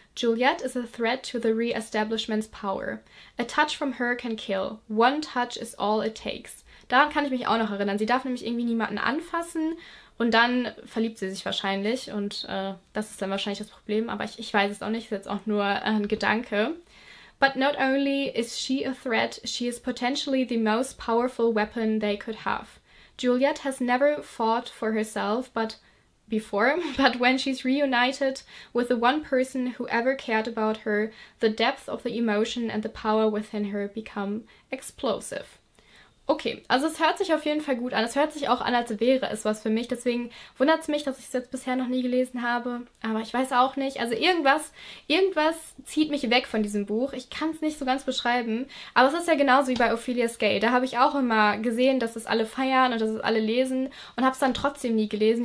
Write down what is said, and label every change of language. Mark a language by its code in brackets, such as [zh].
[en] Juliet is a threat to the re-establishment's power. A touch from her can kill. One touch is all it takes. [de] Daran kann ich mich auch noch erinnern. Sie darf nämlich irgendwie niemanden anfassen und dann verliebt sie sich wahrscheinlich und das ist dann wahrscheinlich das Problem. Aber ich weiß es auch nicht. Ist jetzt auch nur ein Gedanke. [en] But not only is she a threat, she is potentially the most powerful weapon they could have. Juliet has never fought for herself, but when she's reunited with the one person who ever cared about her, the depth of the emotion and the power within her become explosive. [de] Okay, also es hört sich auf jeden Fall gut an. Es hört sich auch an, als wäre es was für mich. Deswegen wundert es mich, dass ich es jetzt bisher noch nie gelesen habe. Aber ich weiß auch nicht. Also irgendwas zieht mich weg von diesem Buch. Ich kann es nicht so ganz beschreiben. Aber es ist ja genauso wie bei Ophelia's Gay. Da habe ich auch immer gesehen, dass es alle feiern und dass es alle lesen und habe es dann trotzdem nie gelesen.